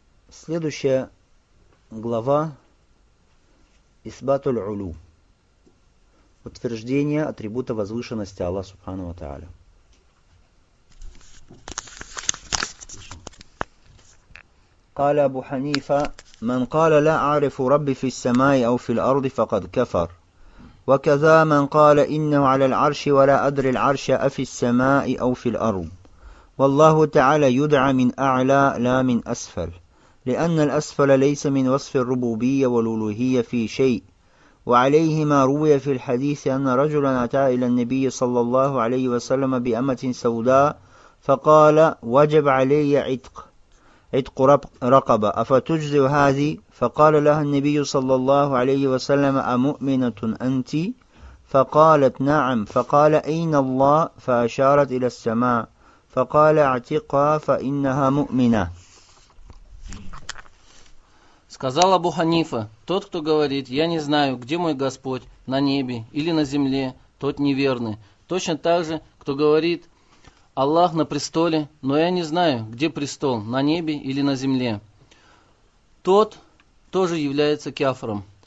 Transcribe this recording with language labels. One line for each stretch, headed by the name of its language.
Russian: Следующая глава «Исбатуль улю». Утверждение атрибута возвышенности Аллаха Субхану ва Тааля.
Arabic: قال أبو حنيفة من قال لا أعرف ربي في السماء أو في الأرض فقد كفر وكذا من قال إنه على العرش ولا أدري العرش أفي السماء أو في الأرض والله تعالى يدعى من أعلى لا من أسفل لأن الأسفل ليس من وصف الربوبية والألوهية في شيء وعليه ما روي في الحديث أن رجلا أتى إلى النبي صلى الله عليه وسلم بأمة سوداء فقال وجب علي عتق عتق رقبة أفتجزي هذه فقال لها النبي صلى الله عليه وسلم أمؤمنة أنت فقالت نعم فقال أين الله فأشارت إلى السماء فقال اعتقها فإنها مؤمنة.
Russian: Сказал Абу Ханифа: тот, кто говорит, я не знаю, где мой Господь, на небе или на земле, тот неверный. Точно так же, кто говорит, Аллах на престоле, но я не знаю, где престол, на небе или на земле, тот тоже является кяфром.